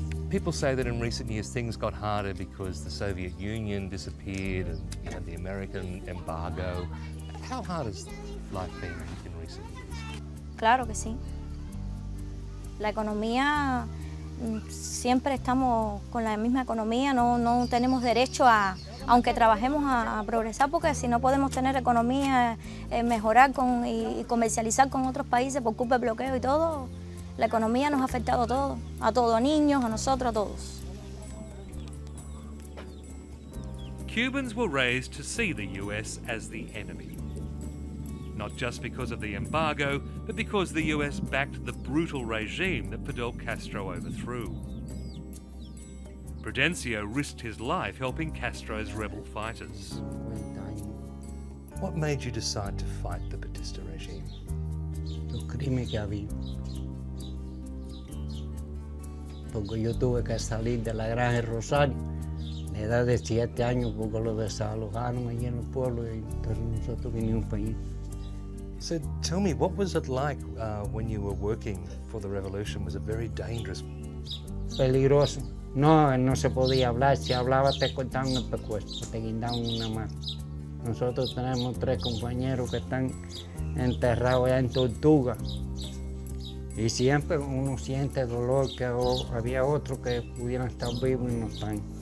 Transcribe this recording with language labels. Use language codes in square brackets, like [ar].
[en] People say that in recent years things got harder because the Soviet Union disappeared and you know, the American embargo. How hard has life been in recent years? [es] Claro que sí. La economía, siempre estamos con la misma economía. No tenemos derecho a, aunque trabajemos a progresar, porque si no podemos tener economía, mejorar con, y comercializar con otros países por culpa del bloqueo y todo. La economía nos ha afectado a todos, a todos, a niños, a nosotros, a todos. [en] Cubans were raised to see the US as the enemy. Not just because of the embargo, but because the US backed the brutal regime that Fidel Castro overthrew. Prudencio risked his life helping Castro's rebel fighters. What made you decide to fight the Batista regime? [es] Los crímenes que había. Porque yo tuve que salir de la granja Rosario a la edad de 7 años porque lo desalojaron allí en el pueblo y entonces nosotros vinimos para allí. [en] So tell me, what was it like when you were working for the revolution? Was it very dangerous? [es] Peligroso. No se podía hablar. Si hablaba te cortaban el pescuezo, te guindaban una mano. Nosotros tenemos tres compañeros que están enterrados allá en Tortuga. Y siempre uno siente dolor que había otros que pudieran estar vivos y no están.